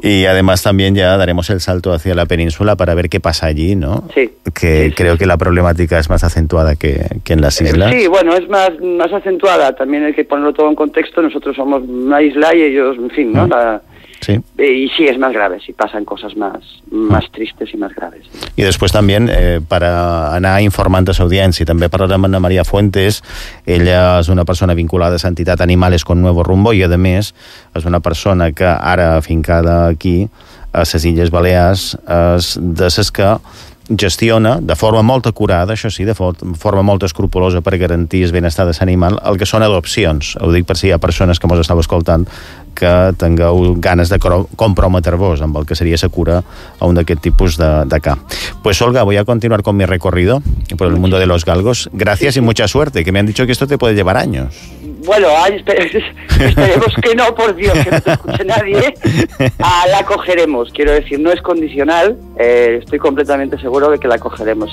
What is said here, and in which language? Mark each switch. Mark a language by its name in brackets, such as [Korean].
[Spanish] Y además también ya daremos el salto hacia la península para ver qué pasa allí, ¿no? Sí. Que sí, creo que la problemática es más acentuada que en las islas. Sí, bueno, es más acentuada. También hay que ponerlo todo en contexto. Nosotros somos una isla y ellos, en fin, ¿no? Sí. Y sí, es más grave, sí, pasan cosas más tristes y más graves. Y después también, [Catalan] para anar informant a l'audiència, també parlarem amb Maria Fuentes. Ella és una persona vinculada a l'entitat Animales con Nuevo Rumbo i, a més, és una persona que ara, afincada aquí, a les Illes Balears, és de les que gestiona, de forma molt acurada, això sí, de forma molt escrupulosa per garantir el benestar de l'animal, el que són adopcions. Ho dic per si hi ha persones que mos estava escoltant que tingueu ganes de comprometre-vos amb el que seria la cura a un d'aquest tipus de ca. [Spanish] Pues, Olga, voy a continuar con mi recorrido por el mundo de los galgos. Gracias y mucha suerte, que me han dicho que esto te puede llevar años. Bueno, esperemos que no, por Dios, que no te escuche nadie. La cogeremos, quiero decir, no es condicional, estoy completamente seguro de que la cogeremos.